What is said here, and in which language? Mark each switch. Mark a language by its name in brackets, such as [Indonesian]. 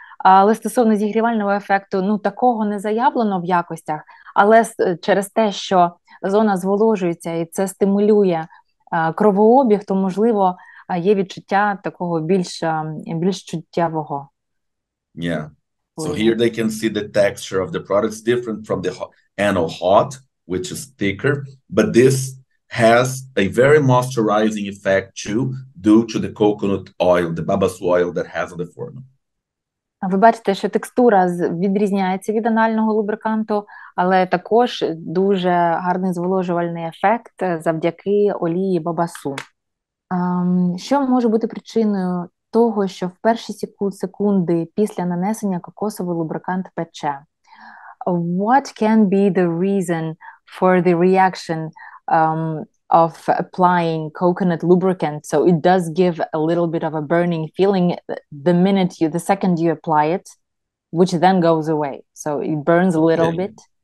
[Ukrainian] Але стосовно зігрівального ефекту, ну, такого не заявлено в якостях, але через те, що зона зволожується і це стимулює кровообіг, то, можливо, є відчуття такого більш чуттєвого. [English] Yeah. So here they can see the texture of the product is different from the anal hot, which is thicker, but this has a very moisturizing effect too, due to the coconut oil, the babassu oil that has on the formula. [Ukrainian] Ви бачите, що текстура відрізняється від анального лубриканту, але також дуже гарний зволожувальний ефект завдяки олії бабасу. Що може бути причиною того, що в перші секунди після нанесення кокосовий лубрикант пече? [English] What can be the reason for the reaction of applying coconut lubricant? So it does give a little bit of a burning feeling the second you apply it, which then goes away. So it burns a little okay. bit.